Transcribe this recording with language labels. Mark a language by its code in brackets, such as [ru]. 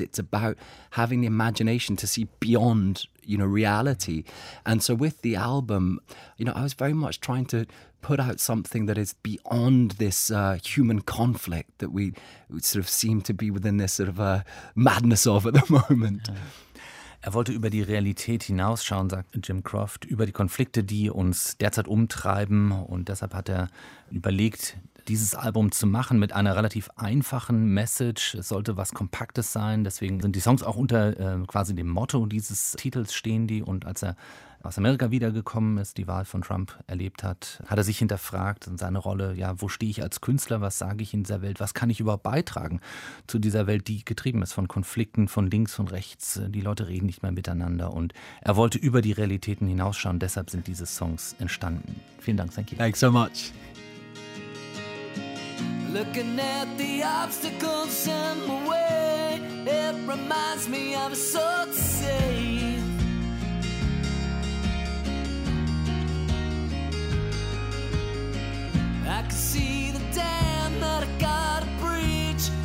[en] It's about having the imagination to see beyond, you know, reality. And so with the album, you know, I was very much trying to put out something that is beyond this human conflict that we sort of seem to be within this sort of madness of at the moment. Yeah. [de] Er wollte über die Realität hinausschauen, sagt Jim Croft, über die Konflikte, die uns derzeit umtreiben. Und deshalb hat er überlegt, dieses Album zu machen mit einer relativ einfachen Message. Es sollte was Kompaktes sein. Deswegen sind die Songs auch unter quasi dem Motto dieses Titels stehen die. Und als er aus Amerika wiedergekommen ist, die Wahl von Trump erlebt hat, hat er sich hinterfragt in seine Rolle, ja, wo stehe ich als Künstler, was sage ich in dieser Welt, was kann ich überhaupt beitragen zu dieser Welt, die getrieben ist von Konflikten, von links und rechts, die Leute reden nicht mehr miteinander und er wollte über die Realitäten hinausschauen, deshalb sind diese Songs entstanden. Vielen Dank, [en] thank you. Thanks so much. Looking at the obstacles in my way, it reminds me I'm so to say. I can see the dam that I gotta breach.